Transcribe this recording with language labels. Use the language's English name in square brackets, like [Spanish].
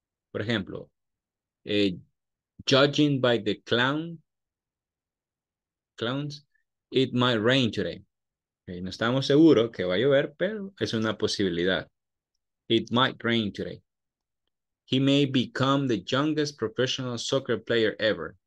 [Spanish] Por ejemplo, [English] judging by the clowns, it might rain today. [Spanish] Okay, no estamos seguros que va a llover, pero es una posibilidad. [English] It might rain today. He may become the youngest professional soccer player ever.